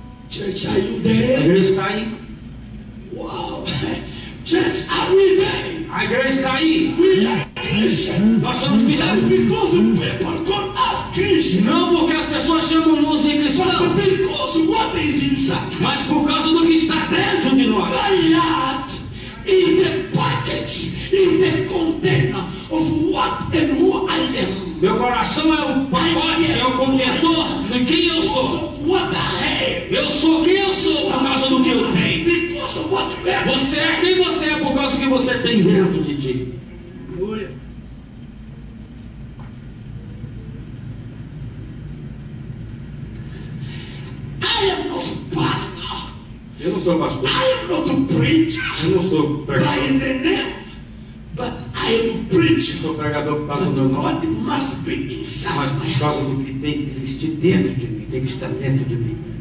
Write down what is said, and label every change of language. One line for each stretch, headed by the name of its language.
English: Church, are you there?
Portuguese: A igreja está aí.
English: Wow. Church, are we there?
Portuguese: A igreja está aí.
English: We are Christian.
Portuguese: Nós somos cristãos.
English: Because the people call us Christian.
Portuguese: Não porque as pessoas chamam nos de cristãos.
English: But because what is inside.
Portuguese: Mas por causa do que está dentro de nós.
English: My heart is the package, is the container of what and who I am.
Portuguese: Meu coração é o pacote, é o contentor de quem eu sou.
English: What I have.
Portuguese: Eu sou quem eu sou por causa do que eu tenho. Você é quem você é por causa do que você tem dentro de ti.
English: I am not a pastor.
Portuguese: Eu não sou pastor.
English: I am not a preacher.
Portuguese: Eu não sou pregador.
English: By the name, but I am a preacher.
Portuguese: Eu sou pregador por causa
English: but
Portuguese: do meu nome.
English: What must be inside.
Portuguese: Mas por causa do que tem que existir dentro de mim, tem que estar dentro de mim.